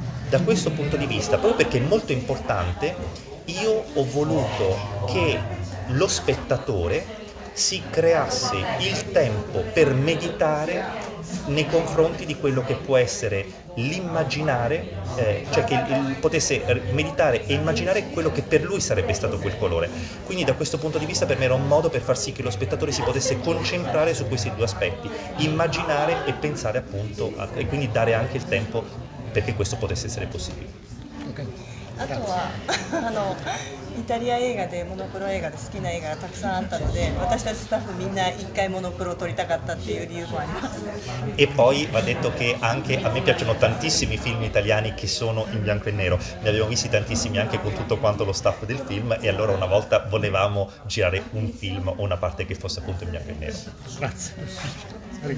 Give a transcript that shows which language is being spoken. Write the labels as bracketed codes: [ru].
[it] Da questo punto di vista, proprio perché è molto importante, io ho voluto che lo spettatore si creasse il tempo per meditare nei confronti di quello che può essere l'immaginare, cioè che potesse meditare e immaginare quello che per lui sarebbe stato quel colore. Quindi da questo punto di vista per me era un modo per far sì che lo spettatore si potesse concentrare su questi due aspetti, immaginare e pensare appunto, e quindi dare anche il tempo perché questo potesse essere possibile. [ja] あとはあのイタリア映画でモノクロ映画で好きな映画がたくさんあったので、私たちスタッフみんな一回モノクロ撮りたかったっていう理由もあります。 [it] E poi va detto che anche a me piacciono tantissimi film italiani che sono in bianco e nero, ne abbiamo visti tantissimi anche con tutto quanto lo staff del film, e allora una volta volevamo girare un film o una parte che fosse appunto in bianco e nero. Grazie.